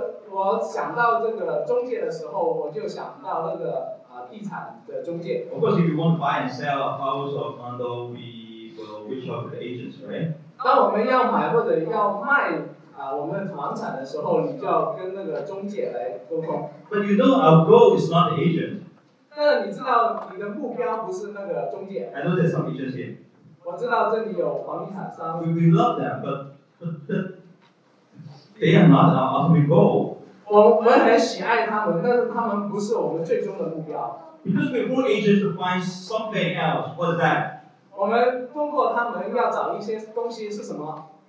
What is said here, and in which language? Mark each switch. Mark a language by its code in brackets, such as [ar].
[zh] 我想到这个中介的时候，我就想到那个地产的中介。 [en] Of course, if you want to buy and sell a house or condo, we will reach out to the agents, right? [zh] 当我们要买或者要卖我们房产的时候，你就要跟那个中介来沟通。 [en] But you know our goal is not the agent. [zh] 那你知道你的目标不是那个中介。 [en] I know there's some agents here. [zh] 我知道这里有房地产商。 [en] We love them, but they are not our ultimate goal. [zh] 我很喜爱他们，但是他们不是我们最终的目标。 [en] Because we want agents to find something else. What is that? [zh] 我们通过他们要找一些东西是什么？